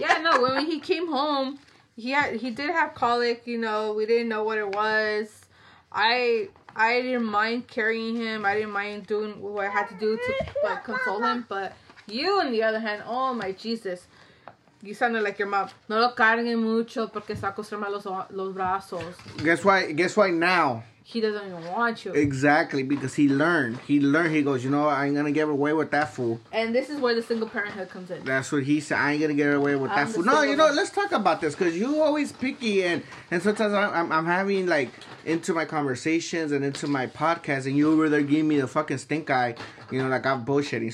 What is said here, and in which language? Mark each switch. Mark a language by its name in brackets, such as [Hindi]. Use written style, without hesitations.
[English] Yeah, no, when he came home, he did have colic, you know. We didn't know what it was. I didn't mind carrying him. I didn't mind doing what I had to do to console him. But you, on the other hand, oh my Jesus. You sounded like your mom. [Spanish] No lo carguen mucho porque se acostumbra los brazos. [English] Guess why now? He doesn't even want you. Exactly, because he learned. He goes, you know, I ain't going to get away with that fool. And this is where the single parenthood comes in. That's what he said. I ain't going to get away with that fool. No, you know, let's talk about this because you always picky. And sometimes I'm having, like, into my conversations and into my podcast, and you over there giving me the fucking stink eye, you know, like I'm bullshitting.